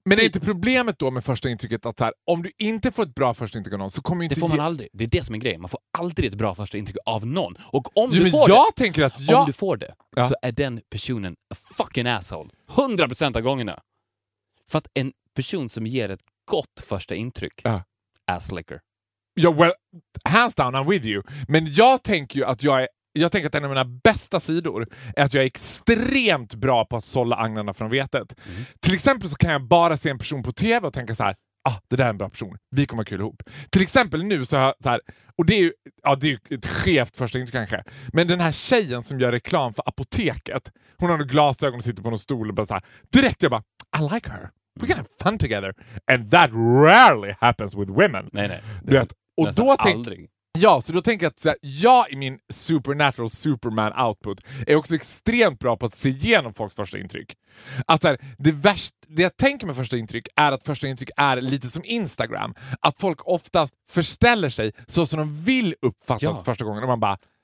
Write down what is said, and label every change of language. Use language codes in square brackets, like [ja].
[sv] Men är inte problemet då med första intrycket att så här, om du inte får ett bra första intryck av någon så kommer du inte... Det får man aldrig. Det är det som är grejen. Man får aldrig ett bra första intryck av någon. Och om du får det... Jag tänker att jag... Om du får det så är den personen [en] a fucking asshole. [sv] 100% av gångerna. För att en person som ger ett gott första intryck [en] ass licker. Yeah, well, hands down, I'm with you. [sv] Men jag tänker ju att jag tänker att en av mina bästa sidor är att jag är extremt bra på att sålla agnarna från vetet. Mm. Till exempel så kan jag bara se en person på tv och tänka så här, ah, det där är en bra person. Vi kommer kul ihop. Till exempel nu så har jag så här, och det är ju, ja, det är ju ett skevt första intryck kanske. Men den här tjejen som gör reklam för apoteket, hon har nog glasögon och sitter på någon stol och bara så här, direkt jag bara, [en] I like her. We're gonna have fun together. And that rarely happens with women. [sv] Nej, nej. Du vet, och då aldrig. Ja, så då tänker jag att så här, jag i min [en] supernatural superman output [sv] är också extremt bra på att se igenom folks första intryck. Att så här, det jag tänker med första intryck är att första intryck är lite som Instagram. Att folk oftast förställer sig så som de vill uppfattas första gången. Och man bara,